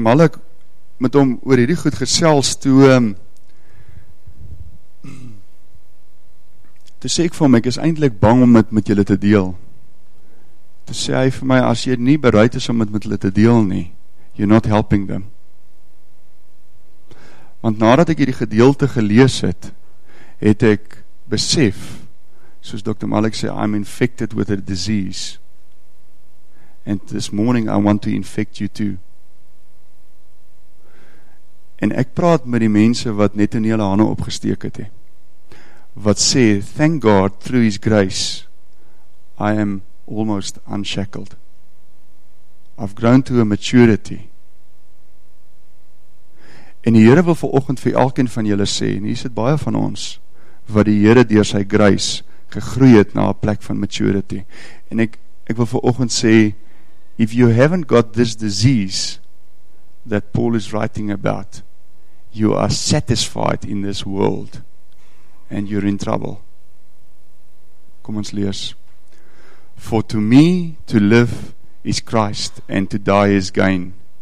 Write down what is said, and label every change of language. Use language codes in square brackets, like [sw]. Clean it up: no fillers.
[af] Malik met hom oor hierdie goed gesels, toe sê ek vir hom, ek is eintlik bang om dit met julle te deel. Toe sê hy vir my, as jy nie bereid is om dit met hulle te deel nie, [en] you're not helping them. [af] Want nadat ek hierdie gedeelte gelees het, het ek besef, soos Dr. [en] Malik sê, I'm infected with a disease. And this morning I want to infect you too. [af] En ek praat met die mense wat net in hulle hande opgesteek het. Wat sê, [en] thank God, through his grace, I am almost unshackled. I've grown to a maturity. [af] En die Here wil vanoggend vir elkeen van julle sê, en hier sit baie van ons, wat die Here deur sy grace gegroei het na 'n plek van maturity. En ek wil vanoggend sê, [en] if you haven't got this disease that Paul is writing about, you are satisfied in this world and you're in trouble. [af] Kom ons lees. [en] For to me to live is Christ and to die is gain.